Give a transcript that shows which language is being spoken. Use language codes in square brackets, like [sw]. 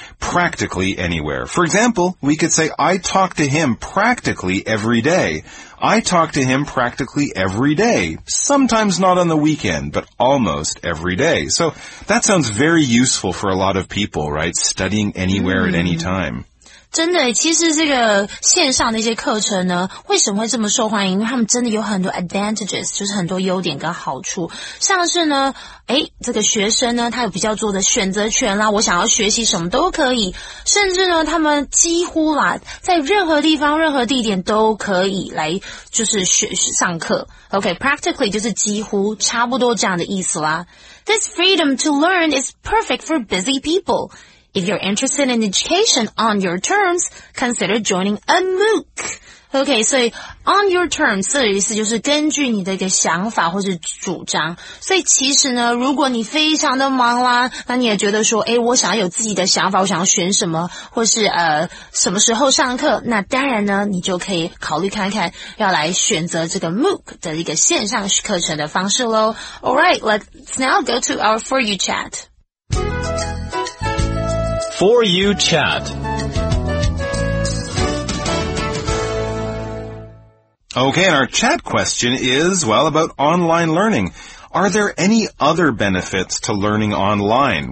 [en] Practically anywhere. For example, we could say, I talk to him practically every day. I talk to him practically every day. Sometimes not on the weekend, but almost every day. So that sounds very useful for a lot of people, right? Studying anywhere at any time. [zh] 真的，其实这个线上的一些课程呢，为什么会这么受欢迎？因为他们真的有很多 advantages， 就是很多优点跟好处。像是呢，诶，这个学生呢，他有比较多的选择权啦，我想要学习什么都可以。甚至呢，他们几乎啦，在任何地方、任何地点都可以来就是学上课。 Okay, practically 就是几乎差不多这样的意思啦。 [en] This freedom to learn is perfect for busy people. If you're interested in education on your terms, consider joining a MOOC. Okay, so on your terms, [zh] 这个意思就是根据你的一个想法或是主张。所以其实呢，如果你非常的忙啦，那你也觉得说，诶，我想要有自己的想法，我想要选什么，或是什么时候上课，那当然呢，你就可以考虑看看要来选择这个 MOOC 的一个线上课程的方式咯。 [en] Alright, let's now go to our For You chat. For You Chat. Okay, and our chat question is, well, about online learning. Are there any other benefits to learning online?